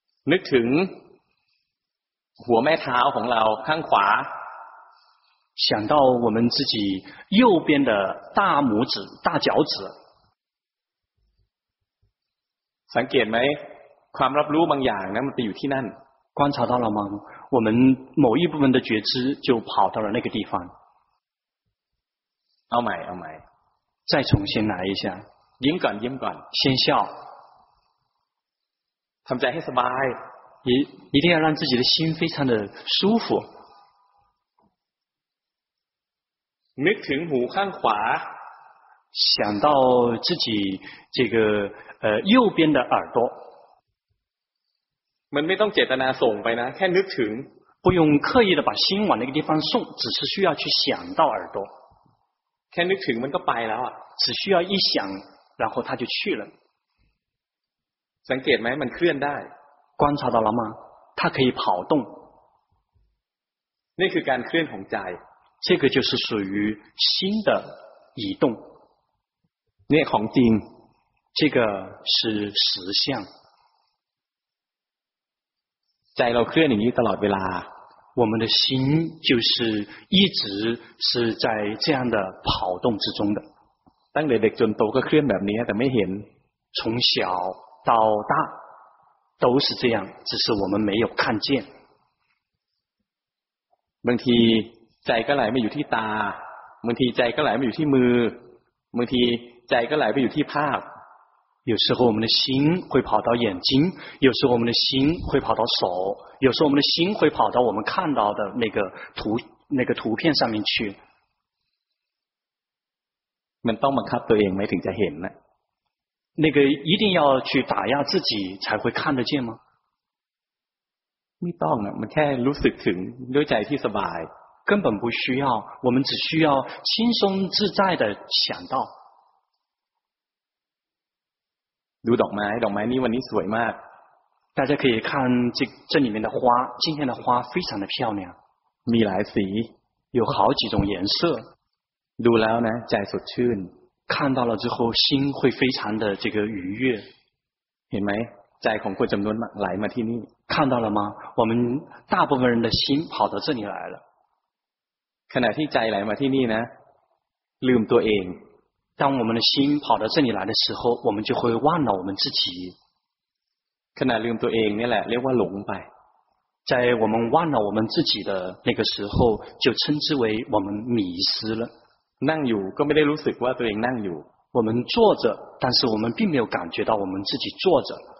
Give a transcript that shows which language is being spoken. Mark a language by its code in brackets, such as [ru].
[th] นึกถึงหัวแม่เท้าของเราข้างขวา [zh] 想到我们自己右边的大拇指大脚趾 [th] สังเกตไหมความรับรู้บางอย่างนั้นมันไปอยู่ที่นั่น [zh] 观察到了吗我们某一部分的觉知就跑到了那个地方 [th] เอาใหม่ [zh] 再重新来一下 [th] ยิ้มก่อน [zh] 先笑 [th] ทำใจให้สบาย [zh] 一定要让自己的心非常的舒服 [th] นึกถึงหูข้างขวา [zh] 想到自己这个右边的耳朵 [th] มันไม่ต้องเจตนาส่งไปนะแค่นึกถึง [zh] 不用刻意的把心往那个地方送只是需要去想到耳朵 [th] แค่นึกถึงมันก็ไปแล้วอ่ะ [zh] 只需要一想然后他就去了 [th] สังเกตไหมมันเคลื่อนได้ [zh] 观察到了吗它可以跑动 [th] นี่คือการเคลื่อนของใจ [zh] 这个就是属于心的移动 [th] นี่ของจริง [zh] 这个是实相 [th] ใจเราเคลื่อนอย่างนี้ตลอดเวลา [zh] 我们的心就是一直是在这样的跑动之中的 [th] ตั้งแต่เด็กจนโตก็เคลื่อนแบบนี้แต่ไม่เห็น [zh] 从小到大都是这样只是我们没有看见 [th] บางทีใจก็ไหลไปอยู่ที่ตาบางทีใจก็ไหลไปอยู่ที่มือบางทีใจก็ไหลไปอยู่ที่ภาพ [zh] 有时候我们的心会跑到眼睛，有时候我们的心会跑到手，有时候我们的心会跑到我们看到的那个图片上面去。 [th] มันต้องบังคับตัวเองไหมถึงจะเห็นนะ [zh] 那个一定要去打压自己才会看得见吗？ [th] ไม่ต้องมันแค่รู้สึกถึงด้วยใจที่สบาย [zh] 根本不需要，我们只需要轻松自在的想到。 [th] ดูดอกไม้ดอกไม้นี้วันนี้สวยมาก [zh] 大家可以看这里面的花今天的花非常的漂亮 [th] มีหลายสี [zh] 有好几种颜色 [th] ดูแล้วนะใจสดชื่น [zh] 看到了之后心会非常的这个愉悦 [th] เห็นไหมใจของคนจำนวนมากไหลมาที่นี่ [zh] 看到了吗我们大部分人的心跑到这里来了 [th] ขณะที่ใจไหลมาที่นี่นะลืมตัวเอง [zh] 当我们的心跑到这里来的时候我们就会忘了我们自己 [th] ขณะลืมตัวเองนี่แหละเรียกว่าหลงไป [zh] 在我们忘了我们自己的那个时候就称之为我们迷失了 [th] นั่งอยู่ก็ไม่ได้รู้สึกว่าตัวเองนั่งอยู่ [zh] 我们坐着但是我们并没有感觉到我们自己坐着